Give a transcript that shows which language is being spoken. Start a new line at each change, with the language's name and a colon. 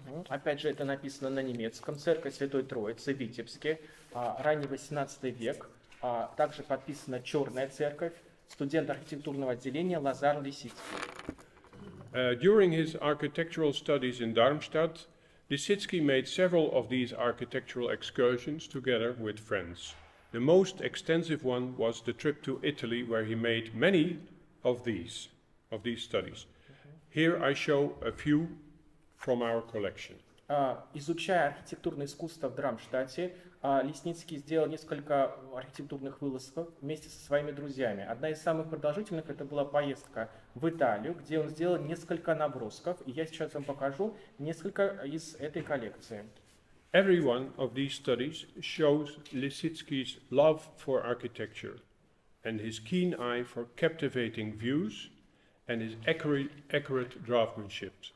Russian: Опять же, это написано на немецком. Церковь Святой Троицы в Витебске, ранний 18 век. Также подписана черная церковь. Студент архитектурного отделения Лазар Лисицкий.
English: During his architectural studies in Darmstadt, Лисицкий made several of these architectural excursions together with friends. The most extensive one was the trip to Italy, where he made many of these studies. Here I show a few from our collection.
Russian: Изучая архитектурное искусство в Дармштадте, Лисицкий сделал несколько архитектурных вылазок вместе со своими друзьями. Одна из самых продолжительных – это была поездка в Италию, где он сделал несколько набросков. И я сейчас вам покажу несколько из этой коллекции.
English: Every one of these studies shows Lisicki's love for architecture and his keen eye for captivating views and his accurate draftsmanship.